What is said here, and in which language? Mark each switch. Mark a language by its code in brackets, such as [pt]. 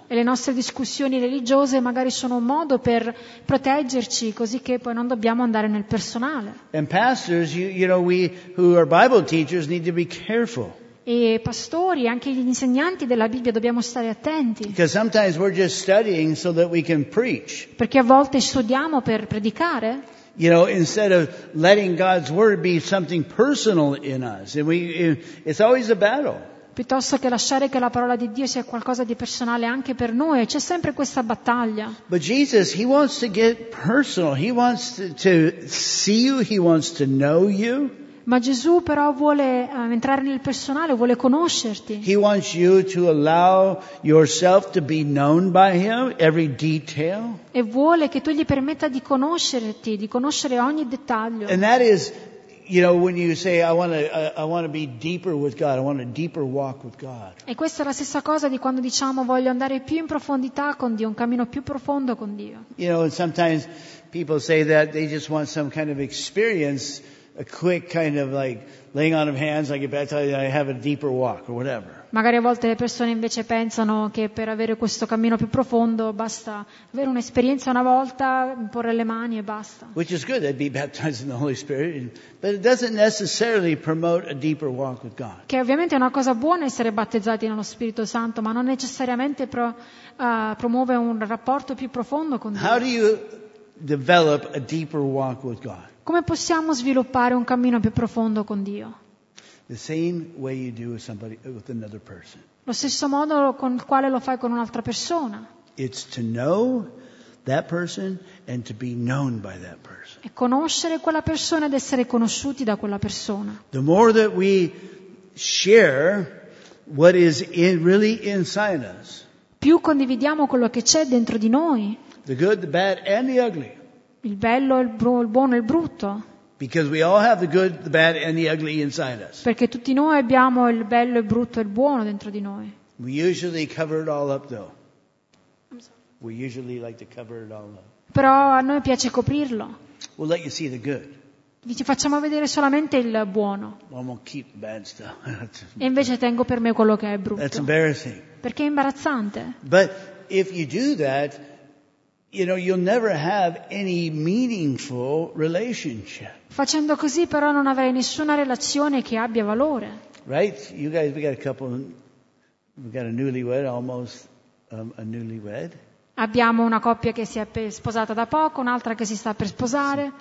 [it] E le nostre discussioni religiose magari sono un modo per proteggerci, così che poi non dobbiamo andare nel personale. [en] And pastors, you know, we who are Bible teachers need to be careful. [it] E pastori, anche gli insegnanti della Bibbia, dobbiamo stare attenti. [en] Because sometimes we're just studying so that we can preach. [it] Perché a volte studiamo per predicare. [en] You know, instead of letting God's word be something personal in us, and it's always a battle. [it] Piuttosto che lasciare che la parola di Dio sia qualcosa di personale anche per noi, c'è sempre questa battaglia. [en] But Jesus, he wants to get personal. He wants to see you. He wants to know you. [it] Ma Gesù però vuole entrare nel personale, vuole conoscerti. [en] He wants you to allow yourself to be known by him, every detail. [it] E vuole che tu gli permetta di conoscerti, di conoscere ogni dettaglio. [en] And that is, you know, when you say I want to be deeper with God, I want a deeper walk with God. [it] E questa è la stessa cosa di quando diciamo voglio andare più in profondità con Dio, un cammino più profondo con Dio. [en] You know, and sometimes people say that they just want some kind of experience. A quick kind of like laying on of hands, I get baptized, I have a deeper walk or whatever. [it] Magari a volte le persone invece pensano che per avere questo cammino più profondo basta avere un'esperienza una volta, porre le mani e basta. [en] Which is good, they'd be baptized in the Holy Spirit, but it doesn't necessarily promote a deeper walk with God. [it] Che ovviamente è una cosa buona essere battezzati nello Spirito Santo, ma non necessariamente promuove un rapporto più profondo con Dio. [en] How do you develop a deeper walk with God? [it] Come possiamo sviluppare un cammino più profondo con Dio? [en] The same way you do with somebody, with another person. [it] Lo stesso modo con il quale lo fai con un'altra persona. [en] It's to know that person and to be known by that person. [it] È conoscere quella persona ed essere conosciuti da quella persona. [en] The more that we share what is really inside us. [it] Più condividiamo quello che c'è dentro di noi. [en] The good, the bad and the ugly. [it] Il bello, il buono e il brutto. [en] Because we all have the good, the bad and the ugly inside us. [it] Perché tutti noi abbiamo il bello, il brutto e il buono dentro di noi. [en] We usually cover it all up though. We usually like to cover it all up. [it] Però a noi piace coprirlo. [en] We'll let you see the good. [it] vi ci facciamo vedere solamente il buono. E invece tengo per me quello che è brutto. Perché è imbarazzante. [en] But if you do that, you know, you'll never have any meaningful relationship. [it] Facendo così però non avrai nessuna relazione che abbia valore. [en] Right? You guys, we got a couple, we got a newlywed, almost a newlywed. [it] Abbiamo una coppia che si è sposata da poco, un'altra che si sta per sposare.